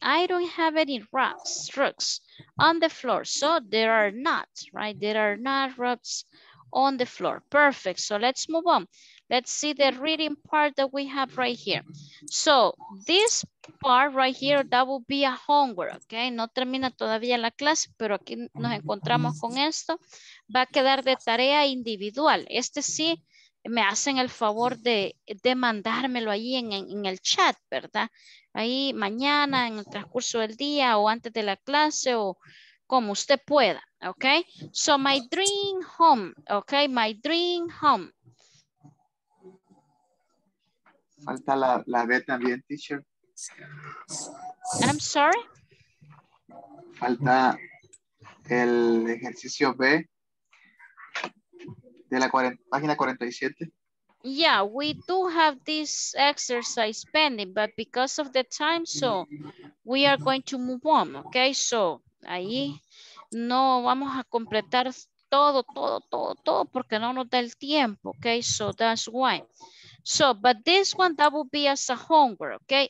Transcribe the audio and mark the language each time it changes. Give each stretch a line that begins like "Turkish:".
English: I don't have any rugs on the floor. So there are not, right? There are not rugs on the floor. Perfect. So let's move on. Let's see the reading part that we have right here. So this part right here, that will be a homework, okay?
Spanish: No termina todavía la clase, pero aquí nos encontramos con esto. Va a quedar de tarea individual. Este sí, me hacen el favor de mandármelo ahí en el chat, ¿verdad? Ahí mañana, en el transcurso del día o antes de la clase o como usted pueda, okay?
English: So my dream home, okay? My dream home.
Spanish: Falta la B también, teacher.
English: I'm sorry.
Spanish: Falta el ejercicio B de la página 47.
English: Yeah, we do have this exercise pending, but because of the time, so we are going to move on, okay?
Spanish: So ahí no vamos a completar todo, porque no nos da el tiempo, okay?
English: So that's why. So, but this one, that will be as a homework, okay?